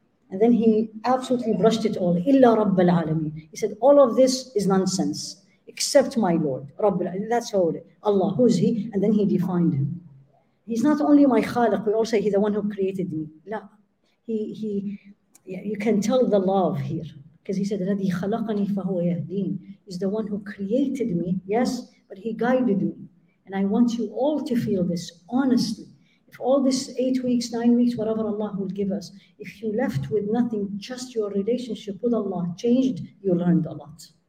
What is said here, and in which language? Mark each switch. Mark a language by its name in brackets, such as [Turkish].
[English] And then he absolutely brushed it all, [Arabic] إِلَّا رَبَّ الْعَالَمِينَ. [English] He said, all of this is nonsense. except my Lord, Rabb. That's how Allah, who is he? And then he defined him. He's not only my Khaliq, we all say he's the one who created me. No. You can tell the love here. Because he said, [Arabic] الَّذِي خَلَقَنِي فَهُوَ يَهْدِينِ. [English] He's the one who created me, yes, but he guided me. And I want you all to feel this, honestly. If all this 8 weeks, 9 weeks, whatever Allah will give us, if you left with nothing, just your relationship with Allah changed, you learned a lot.